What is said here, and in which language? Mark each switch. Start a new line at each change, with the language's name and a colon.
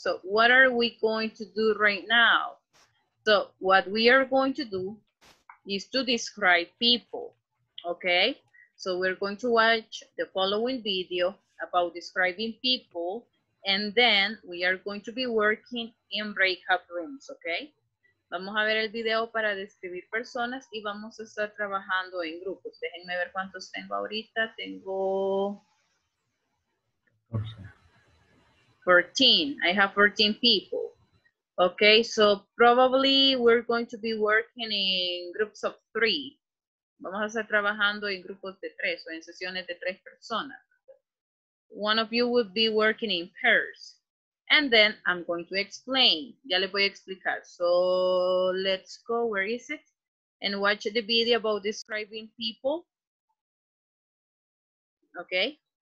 English: So what are we going to do right now? So what we are going to do is to describe people, okay? So we're going to watch the following video about describing people, and then we are going to be working in breakout rooms, okay?
Spanish: Vamos a ver el video para describir personas y vamos a estar trabajando en grupos. Déjenme ver cuántos tengo ahorita. Tengo
English: 14. I have 14 people. Okay, so probably we're going to be working in groups of three.
Spanish: Vamos a estar trabajando en grupos de tres o en sesiones de tres personas.
English: One of you would be working in pairs. And then I'm going to explain.
Spanish: Ya le voy a explicar.
English: So let's go. Where is it? And watch the video about describing people. Okay.